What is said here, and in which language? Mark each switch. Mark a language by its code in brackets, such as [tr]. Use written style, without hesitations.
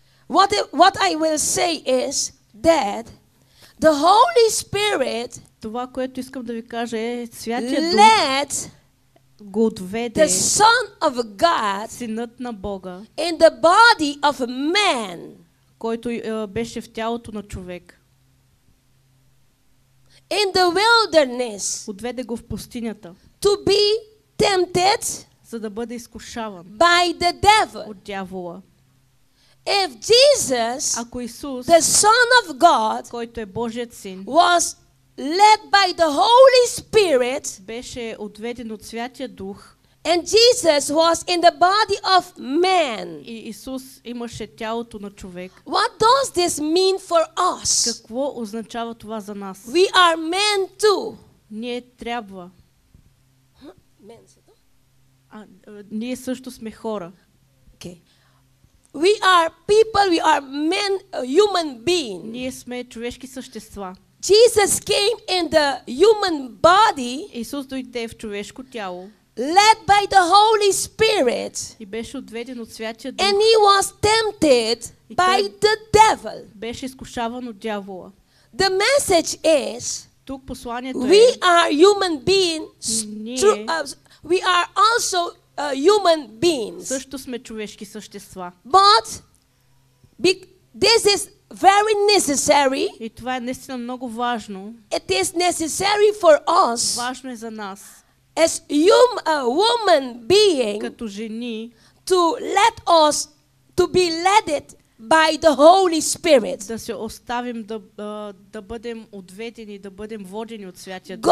[en] What I will say is that the Holy Spirit, [bg] това, което искам да ви кажа, е Святия Дух. Го отведе [en] the Son of God, [bg] синът на Бога, [en] in the body of man, [bg] който беше в тялото на човек, [en] in the wilderness, [bg] отведе го в пустинята, [en] to be tempted, [bg] за да бъде изкушаван, [en] by the devil, [bg] от дявола. [en] If Jesus, [bg] ако Исус, [en] the Son of God, [bg] който е Божият син, [en] was led by the Holy Spirit, [bg] беше отведен от Святия Дух, [en] and Jesus was in the body of man, [bg] и Исус имаше тялото на човек. [en] What does this mean for us? [bg] Какво означава това за нас? [en] We are men too. [bg] Ние трябва. [en] Men too. [bg] Ние също сме хора. [en] Okay. We are people, we are men, human being. [bg] Ние сме човешки същества. [en] Jesus came in the human body, [bg] Исус дойде в човешко тяло, [en] led by the Holy Spirit, [bg] и беше отведен от Святия Дух, [en] and he was tempted by the devil. [bg] Беше изкушаван от дявола. [en] The message is, [bg] тук посланието [en] е, we are human beings, we are also human beings. [bg] Също сме човешки същества. [en] But this is very necessary. [bg] И това е наистина много важно. [en] It is necessary for us. [bg] Важно е за нас. [en] As a woman being. [bg] Като жени. [en] To let us to be led by the Holy Spirit. [bg] Да се оставим да бъдем отведени, да бъдем водени от Святия Дух.